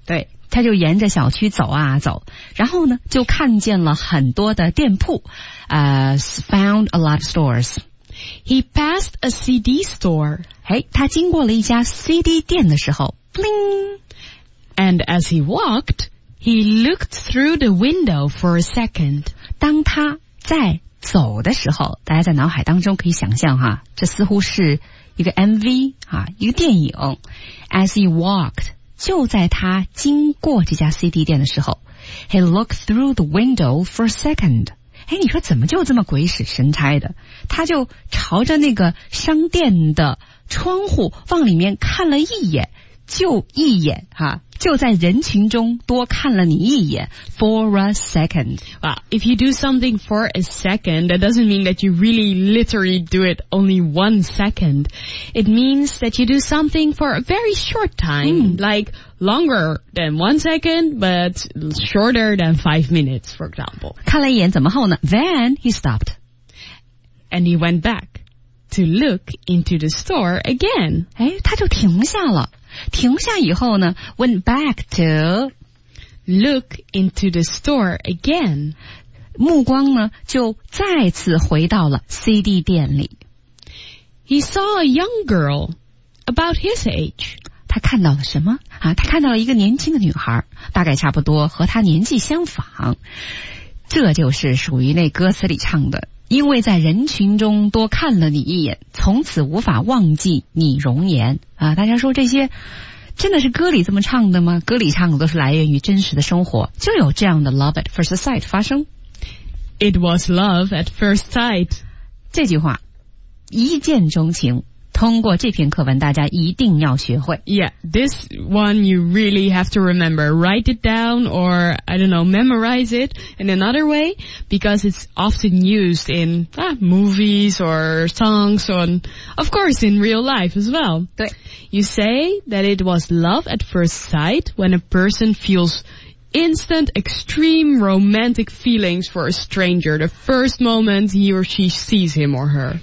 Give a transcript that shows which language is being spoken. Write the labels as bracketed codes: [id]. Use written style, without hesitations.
[zh] 对他就沿着小区走啊走然后呢就看见了很多的店铺、 [en] found a lot of stores He passed a CD store [zh] 他经过了一家 CD 店的时候 bling [en] And as he walked he looked through the window for a second [zh] 当他在走的时候大家在脑海当中可以想象哈这似乎是一个 MV, 啊一个电影。 [en] As he walked, [zh] 就在他经过这家 CD 店的时候 [en] ,he looked through the window for a second. [zh] 诶你说怎么就这么鬼使神差的他就朝着那个商店的窗户往里面看了一眼就一眼哈。就在人群中多看了你一眼 [en] for a second. Well, if you do something for a second, that doesn't mean that you really literally do it only 1 second. It means that you do something for a very short time, like longer than 1 second, but shorter than 5 minutes, for example. [zh] 看了一眼怎么后呢? [en] Then he stopped. And he went back to look into the store again. [zh] 诶,他就停下了。停下以后呢 [en] went back to look into the store again [zh] 目光呢就再次回到了 CD 店里 [en] He saw a young girl about his age [zh] 他看到了什么、啊、他看到了一个年轻的女孩大概差不多和他年纪相仿这就是属于那歌词里唱的因为在人群中多看了你一眼从此无法忘记你容颜啊！大家说这些真的是歌里这么唱的吗歌里唱的都是来源于真实的生活就有这样的 [en] love at first sight [zh] 发生 [en] It was love at first sight [zh] 这句话一见钟情通过这篇课文大家一定要学会 [en] Yeah, this one you really have to remember Write it down or, I don't know, memorize it in another way Because it's often used in movies or songs on, Of course, in real life as well [zh] 对 [en] You say that it was love at first sight When a person feels instant extreme romantic feelings for a stranger The first moment he or she sees him or her